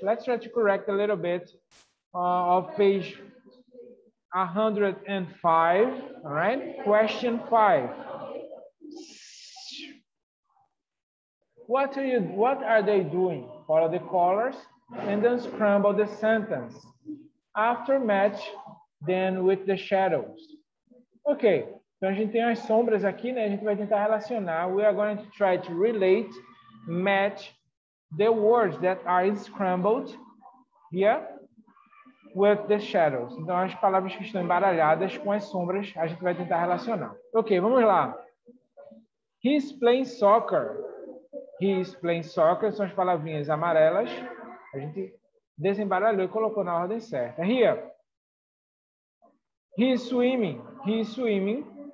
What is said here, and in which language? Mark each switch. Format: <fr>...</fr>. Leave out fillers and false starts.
<en>Let's try to correct a little bit of page 105. All right, question 5. What are they doing? Follow the colors and then scramble the sentence. After match, then with the shadows.</en> <pt>Okay, então a gente tem as sombras aqui, né? A gente vai tentar relacionar.</pt> <en>We are going to try to relate, match the words that are scrambled here with the shadows.</en> <pt>Então as palavras que estão embaralhadas com as sombras, a gente vai tentar relacionar.</pt> <en>Okay,</en> <pt>vamos lá.</pt> <en>He's playing soccer. He's playing soccer.</en> <pt>São as palavrinhas amarelas. A gente desembaralhou e colocou na ordem certa.</pt> <en>Here. He's swimming. He's swimming.</en>